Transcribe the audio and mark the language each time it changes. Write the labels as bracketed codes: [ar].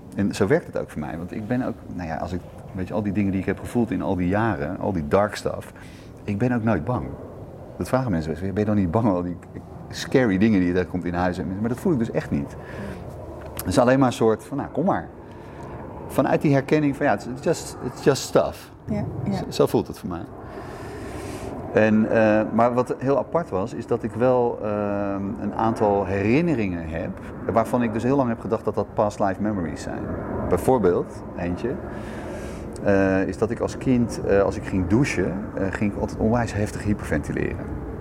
[nl] En zo werkt het ook voor mij. Want ik ben ook, nou ja, als ik, weet je, al die dingen die ik heb gevoeld in al die jaren, al die dark stuff, ik ben ook nooit bang. Dat vragen mensen wel eens. Ben je dan niet bang al die scary dingen die je tegenkomt in huis? Maar dat voel ik dus echt niet. Het is alleen maar een soort van, nou, kom maar. Vanuit die herkenning van, ja, [en] it's just stuff. Yeah, yeah. [nl] Zo voelt het voor mij. En, maar wat heel apart was, is dat ik wel een aantal herinneringen heb, waarvan ik dus heel lang heb gedacht dat dat past life memories zijn. Bijvoorbeeld, eentje, is dat ik als kind, als ik ging douchen, ging ik altijd onwijs heftig hyperventileren.